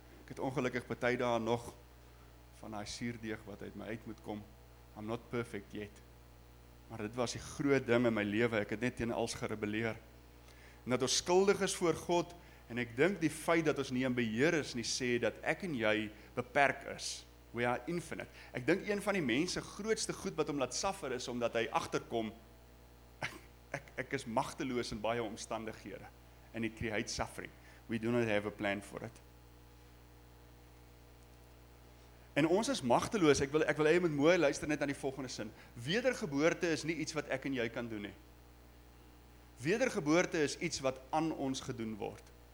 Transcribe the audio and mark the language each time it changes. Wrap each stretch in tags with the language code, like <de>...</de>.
<af>Ek het ongelukkig baie dae nog van daai suurdeeg wat uit my uit moet kom.</af> <en>I'm not perfect yet.</en> <af>Maar dit was die groot ding in my lewe. Ek het net teen alles gerebelleer. En dat ons skuldig is voor God, en ek dink die feit dat ons nie in beheer is nie sê dat ek en jy beperk is.</af> <en>We are infinite.</en> <af>Ek dink een van die mense grootste goed wat hom laat suffer is omdat hy agterkom ek is magteloos in baie omstandighede.</af> <en>And it creates suffering. We do not have a plan for it.</en> <af>En ons is magteloos. Ek wil hê jy moet mooi luister net aan die volgende sin. Wedergeboorte is nie iets wat ek en jy kan doen nie. Wedergeboorte is iets wat aan ons gedoen word.</af>